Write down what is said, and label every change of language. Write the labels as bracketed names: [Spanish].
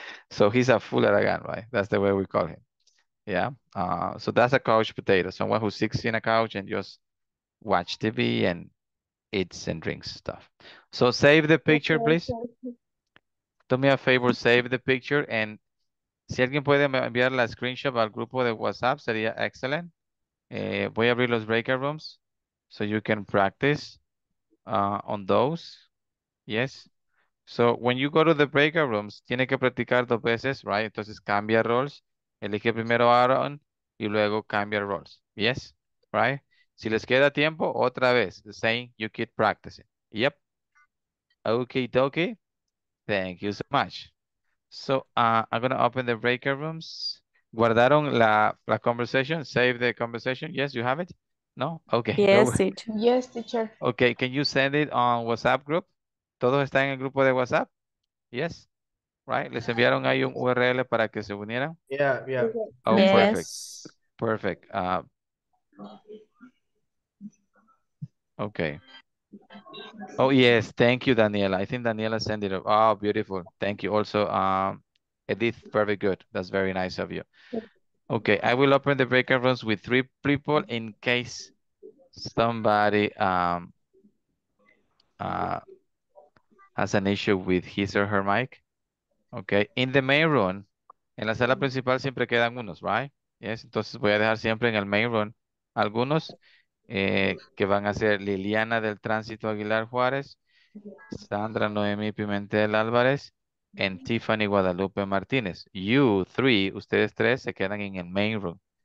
[English] So he's a full Aragán, right? That's the way we call him. Yeah. So that's a couch potato, someone who sits in a couch and just watch TV and eats and drinks stuff. So save the picture, please. Do me a favor, save the picture and [Spanish] Si alguien puede enviar la screenshot al grupo de WhatsApp, sería excelente. Voy a abrir los [English] breakout rooms so you can practice on those. Yes. So when you go to the breakout rooms, [Spanish] tiene que practicar dos veces, [English] right? [Spanish] Entonces cambia roles. Elige primero Aaron y luego cambia roles. [English] Yes, right? [Spanish] Si les queda tiempo, otra vez, [English] the same, you keep practicing. Yep. Okay, dokie. Thank you so much. So I'm going to open the breakout rooms. [Spanish] ¿Guardaron la [English] conversation? Save the conversation. Yes, you have it? No? Okay. Yes, teacher. Okay, can you send it on WhatsApp group? [Spanish] ¿Todos están en el grupo de WhatsApp? [English] Yes. Right? [Spanish] ¿Les enviaron ahí un URL para que se unieran? [English] Yeah. Oh, yes. Perfect. Perfect. Okay. Oh, yes. Thank you, Daniela. I think Daniela sent it up. Oh, beautiful. Thank you. Also, Edith, very good. That's very nice of you. Okay. I will open the breakout rooms with three people in case somebody has an issue with his or her mic. Okay. In the main room, [Spanish] en la sala principal siempre quedan unos, [English] right? Yes. [Spanish] Entonces voy a dejar siempre en el main room algunos. Que van a ser Liliana del Tránsito Aguilar Juárez, Sandra Noemí Pimentel Álvarez, y Tiffany Guadalupe Martínez. [English] You three, [Spanish] ustedes tres, se quedan en el main room.